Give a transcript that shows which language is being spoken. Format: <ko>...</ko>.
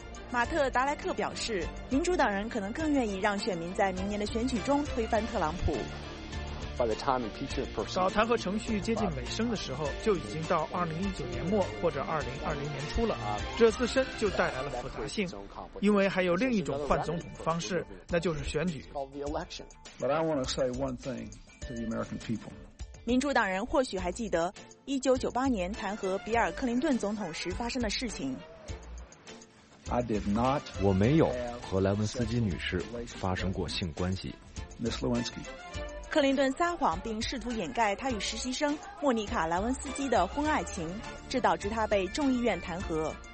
<zh>马特·达莱克表示，民主党人可能更愿意让选民在明年的选举中推翻特朗普。</zh> <en>By the time impeachment proceeds,</en> <zh>搞弹劾程序接近尾声的时候，就已经到2019年末或者2020年初了。这自身就带来了复杂性，因为还有另一种换总统的方式，那就是选举。</zh> <en>But I want to say one thing to the American people.</en> <zh>民主党人或许还记得1998年弹劾比尔·克林顿总统时发生的事情。</zh> <en>I did not.</en> <zh>我没有和莱文斯基女士发生过性关系。</zh> <en>Miss Lewinsky.</en> <zh>克林顿撒谎并试图掩盖他与实习生莫妮卡·莱文斯基的婚爱情，这导致他被众议院弹劾。</zh>